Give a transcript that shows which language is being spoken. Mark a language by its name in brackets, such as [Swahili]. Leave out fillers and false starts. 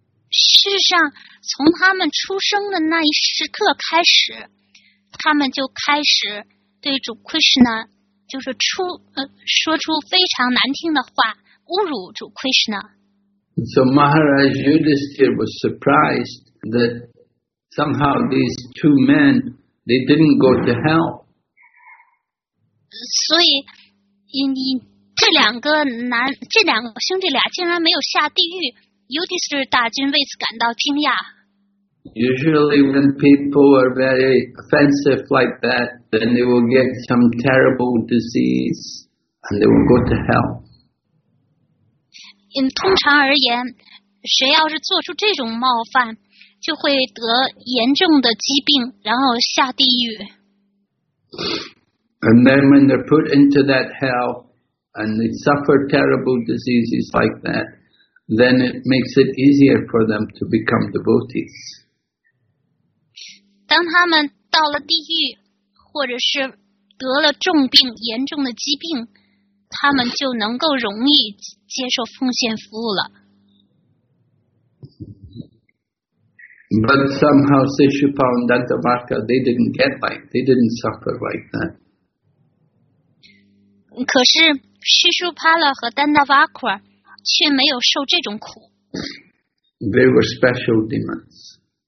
[Chinese] 事实上，从他们出生的那一时刻开始，他们就开始对主 Krishna 就是说出非常难听的话，侮辱主 Krishna。 [English] So Maharaj Yudhisthira was surprised that somehow these two men they didn't go to hell. [Chinese] 所以，这两个兄弟俩竟然没有下地狱。 Yudhisthira 大君为此感到惊讶。 [English] Usually when people are very offensive like that, then they will get some terrible disease and they will go to hell. [Chinese] 通常而言，谁要是做出这种冒犯，就会得严重的疾病，然后下地狱。 [English] And then when they're put into that hell and they suffer terrible diseases like that,then it makes it easier for them to become devotees. [Chinese] 当他们到了地狱，或者是得了重病、严重的疾病，他们就能够容易接受奉献服务了。 [English] But somehow Sishupala and Dantavakra, they didn't get like, they didn't suffer like that. [Chinese] 可是 Sishupala 和 Dantavakra却没有受这种苦。 [English] They were special demons.